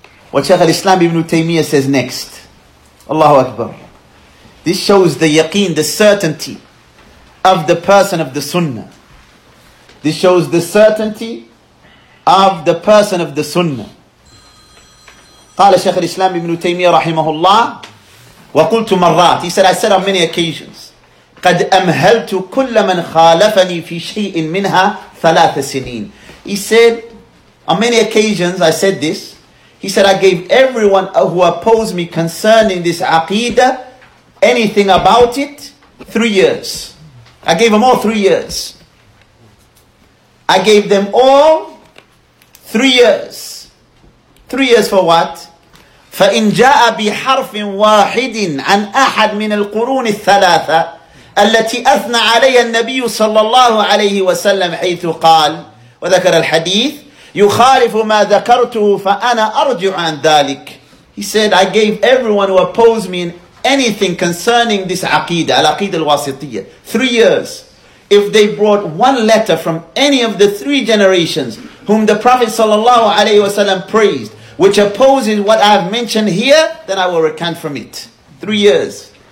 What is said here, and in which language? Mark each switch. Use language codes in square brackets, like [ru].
[en] What Shaykh al-Islam ibn Taymiyyah says next. Allahu Akbar. This shows the yaqeen, the certainty of the person of the sunnah. This shows the certainty of the person of the sunnah. [ar] قال شيخ الإسلام ابن تيمية رحمه الله وقلت مرات. [en] He said, I said on many occasions, [ar] قد أمهلت كل من خالفني في شيء منها ثلاث سنين. [en] He said, on many occasions I said this. He said, I gave everyone who opposed me concerning this aqidah anything about it 3 years. I gave them all 3 years. I gave them all 3 years. 3 years for what? [ar] فإن جاء بحرف واحد عن أحد من القرون الثلاثة التي أثنى عليها النبي صلى الله عليه وسلم حيث قال وذكر الحديث يخالف ما ذكرته فأنا أرجع عن ذلك. [en] He said, I gave everyone who opposed me in anything concerning this aqidah, al-aqidah al-wasitiyah, 3 years. If they brought one letter from any of the 3 generations whom the Prophet sallallahu alayhi wasallam praised, which opposes what I have mentioned here, then I will recant from it. 3 years.